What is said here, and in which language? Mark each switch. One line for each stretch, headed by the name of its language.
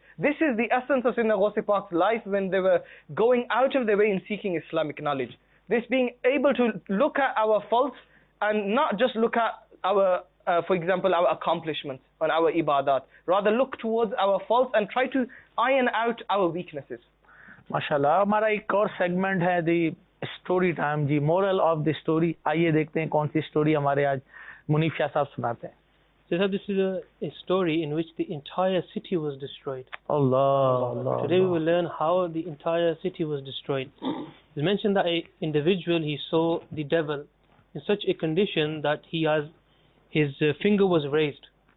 English: This is the essence of Sayyidina Ghawse Pak's life when they were going out of their way in seeking Islamic knowledge. This being able to look at our faults and not just look at our accomplishments and our ibadat, rather look towards our faults and try to iron out our weaknesses. MashaAllah.
Urdu: ہمارا ایک اور segment ہے
English: the story time,
Urdu: جی
English: Moral of the story.
Urdu: آئیے دیکھتے ہیں کون سی story ہمارے آج منیف شاہ صاحب سناتے ہیں.
English: So this is a story in which the entire city was destroyed. Allah, Allah. Today we will learn how the entire city was destroyed. It's mentioned that an individual, he saw the devil in such a condition that his finger was raised.